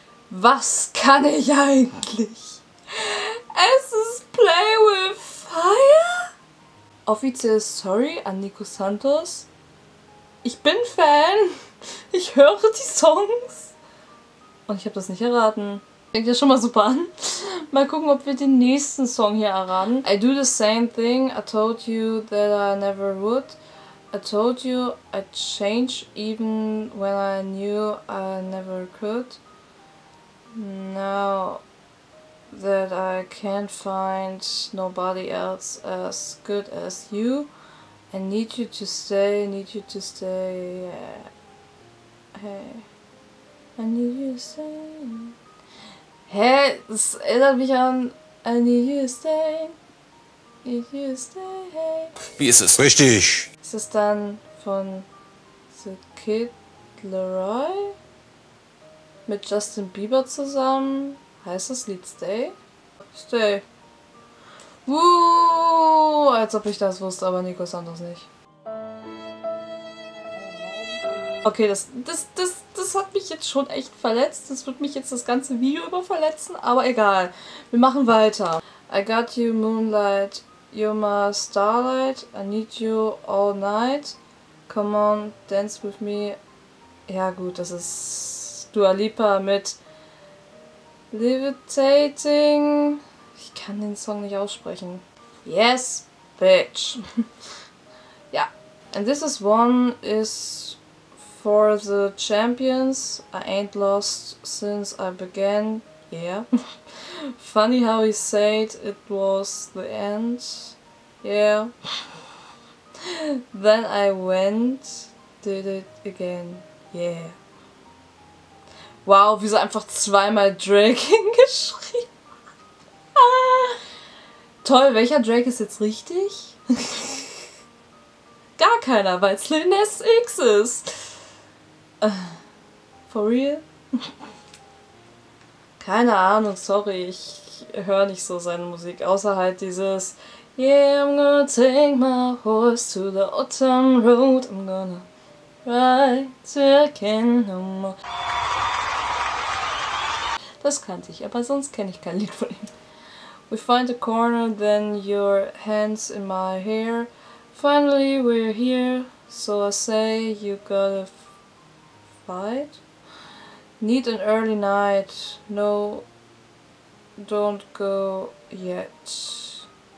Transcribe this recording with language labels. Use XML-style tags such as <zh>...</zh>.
<de>Was kann ich eigentlich? Es ist Play with Fire? Offiziell sorry an Nico Santos. Ich bin Fan. Ich höre die Songs. Und ich habe das nicht erraten. Fängt ja schon mal super an. Mal gucken, ob wir den nächsten Song hier erraten.</de> <en>I do the same thing. I told you that I never would. I told you I'd change even when I knew I never could. Now that I can't find nobody else as good as you. I need you to stay, need you to stay. Hey. I need you to stay. Hä?</en> <de>Das erinnert mich an</de> <en>I need you to stay. Need you to stay, hey.</en> <de>Wie ist es? Richtig. Ist es dann von The Kid Leroy? Mit Justin Bieber zusammen? Heißt das Lied Stay? Stay. Als ob ich das wusste, aber Nico Santos nicht. Okay, das hat mich jetzt schon echt verletzt. Das wird mich jetzt das ganze Video über verletzen, aber egal. Wir machen weiter.</de> <en>I got you moonlight, you're my starlight, I need you all night, come on, dance with me.</en> <de>Ja gut, das ist Dua Lipa mit Levitating. Ich kann den Song nicht aussprechen.</de> <en>Yes, bitch.</en> <de>Ja.</de> <en>And this is one is for the champions. I ain't lost since I began. Yeah. Funny how he said it was the end. Yeah. Then I went, did it again. Yeah.</en> <de>Wow, wie sie einfach zweimal Drake hingeschrieben. Toll, welcher Drake ist jetzt richtig? Gar keiner, weil es Lil Nas X ist.</de> <en>For real?</en> <de>Keine Ahnung, sorry, ich höre nicht so seine Musik. Außer halt dieses</de> <en>Yeah, I'm gonna take my horse to the autumn road. I'm gonna ride till I can no more.</en> <de>Das kannte ich, aber sonst kenne ich kein Lied von ihm.</de> <en>We find a corner, then your hands in my hair. Finally we're here, so I say you gotta fight. Need an early night, no, don't go yet.</en>